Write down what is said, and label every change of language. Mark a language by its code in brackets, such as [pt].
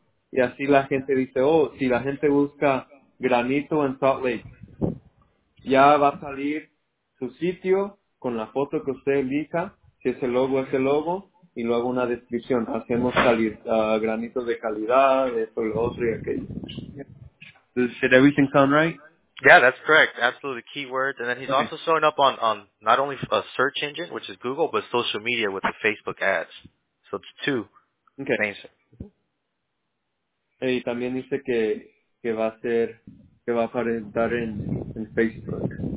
[es] Y así la gente dice, oh, si la gente busca granito en Salt Lake, ya va a salir su sitio con la foto que usted elija, si es el logo, es el logo, y luego una descripción. Hacemos salir granito de calidad, esto, lo otro y aquello. [en] Did everything sound right? Yeah, that's correct. Absolutely. Keywords. And then he's also showing up on not only a search engine, which is Google, but social media with the Facebook ads. So it's two. Okay. Names. [es] Y también dice que va a ser, que va a aparecer en Facebook.